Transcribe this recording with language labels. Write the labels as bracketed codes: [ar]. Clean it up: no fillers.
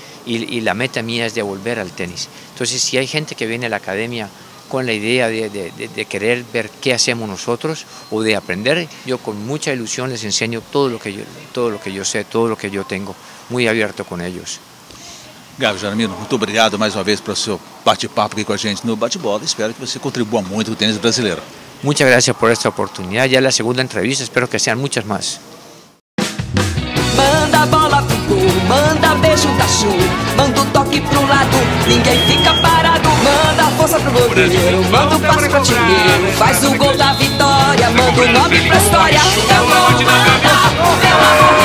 [es] y la meta mía es devolver al tenis, entonces si hay gente que viene a la academia con la idea de querer ver qué hacemos nosotros o de aprender, yo con mucha ilusión les enseño todo lo que yo sé, todo lo que yo tengo, muy abierto con ellos. [pt] Gabi Jaramillo, muito obrigado mais uma vez por seu bate-papo aqui com a gente no Bate-Bola. Espero que você contribua muito com o tênis brasileiro. [es] Muchas gracias por esta oportunidad. Ya la segunda entrevista, espero que sean muchas más. [pt] Manda bola pro gol, manda beijo da sua, manda o toque pro lado, ninguém fica parado. Manda força pro goleiro, manda o passo pro artilheiro, faz o gol da vitória, manda o nome pra história. É o gol, manda, o meu amor.